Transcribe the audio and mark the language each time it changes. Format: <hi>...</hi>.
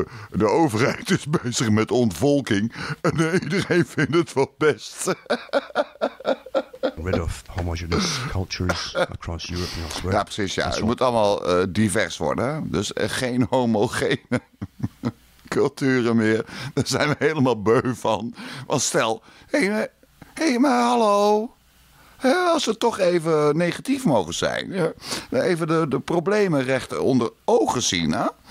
<nl>De overheid is bezig met ontvolking en iedereen vindt het wel best.</nl> <en>Rid of homogenous cultures across Europe and elsewhere.</en> <nl>Ja, precies, ja. Het moet allemaal divers worden. Dus geen homogene culturen meer. Daar zijn we helemaal beu van. Want stel, maar hallo. Als we toch even negatief mogen zijn. Even de problemen recht onder ogen zien. Hè?</nl>